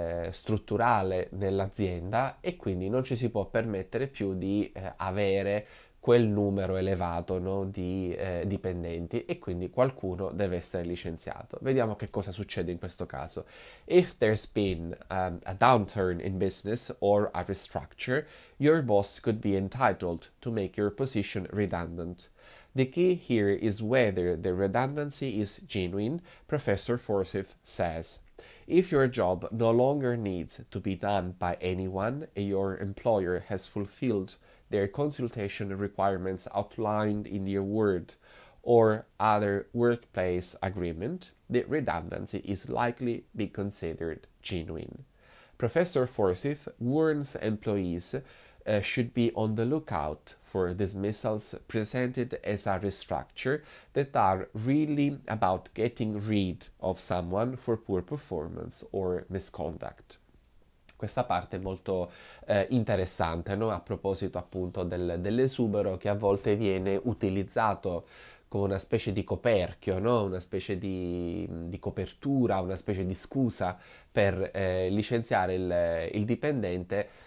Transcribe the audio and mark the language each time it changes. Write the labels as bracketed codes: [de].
[it] Strutturale nell'azienda e quindi non ci si può permettere più di avere quel numero elevato, no, di dipendenti e quindi qualcuno deve essere licenziato. Vediamo che cosa succede in questo caso. [en] If there's been a downturn in business or a restructure, your boss could be entitled to make your position redundant. The key here is whether the redundancy is genuine, Professor Forsyth says. If your job no longer needs to be done by anyone and your employer has fulfilled their consultation requirements outlined in the award or other workplace agreement, the redundancy is likely to be considered genuine. Professor Forsyth warns employees should be on the lookout for dismissals presented as a restructure that are really about getting rid of someone for poor performance or misconduct. [it] Questa parte è molto interessante, no? A proposito appunto dell'esubero che a volte viene utilizzato come una specie di coperchio, no? Una specie di copertura, una specie di scusa per licenziare il dipendente.